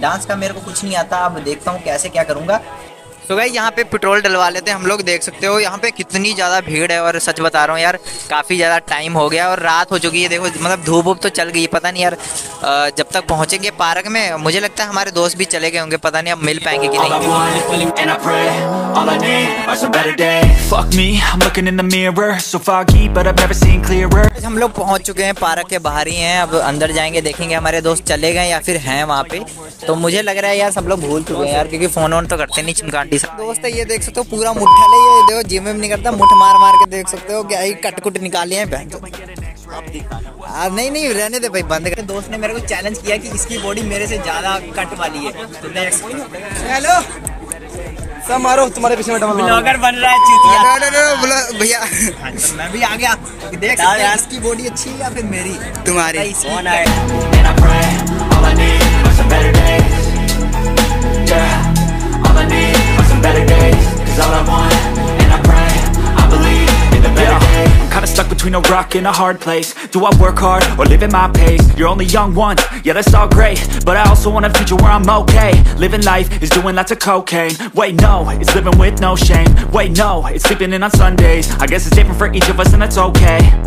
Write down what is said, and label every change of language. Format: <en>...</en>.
<hi>Dance का मेरे को कुछ नहीं आता, अब देखता हूँ कैसे क्या करूँगा। तो भाई यहाँ पे पेट्रोल डलवा लेते हैं हम लोग, देख सकते हो यहाँ पे कितनी ज़्यादा भीड़ है, और सच बता रहा हूँ यार काफ़ी ज़्यादा टाइम हो गया और रात हो चुकी है, देखो मतलब धूप वूप तो चल गई, पता नहीं यार जब तक पहुँचेंगे पार्क में, मुझे लगता है हमारे दोस्त भी चले गए होंगे, पता नहीं अब मिल पाएंगे कि नहीं।</hi> <en>All I need are some better days. Fuck me, I'm looking in the mirror. So foggy, but I've never seen clearer.</en> <hi>हम लोग पहुंच चुके हैं पार्क के बाहर ही हैं, अब अंदर जाएंगे देखेंगे हमारे दोस्त चले गए या फिर हैं वहाँ पे। तो मुझे लग रहा है यार सब लोग भूल चुके हैं यार, क्योंकि फोन ऑन तो करते नहीं चिमकांडी सब दोस्त। ये देख सकते हो पूरा मुट्ठा ले, ये देखो जिम में नहीं करता, मुठ मार मार के देख सकते हो क्या कट कुट निकाली है बहन। अब नहीं नहीं रहने दे भाई, बंद कर। दोस्त ने मेरे को चैलेंज किया कि इसकी बॉडी मेरे से ज्यादा कट वाली है। हेलो सब मारो तुम्हारे पीछे मेटा ब्लॉगर बन रहा है चूतिया।</hi> <en>no no no</en> <hi>बोलो भैया, मैं भी आ गया, देख सकते हैं इसकी बॉडी अच्छी है या फिर मेरी तुम्हारी कौन आए।</hi> <en>And I pray all I need for some better days, yeah all I need for some better days, cuz all I want and I pray I believe in the better days. Kinda stuck between a rock and a hard place. Do I work hard or live at my pace? You're only young once, yeah that's all great. But I also want a future where I'm okay. Living life is doing lots of cocaine. Wait no, it's living with no shame. Wait no, it's sleeping in on Sundays. I guess it's different for each of us and that's okay.</en>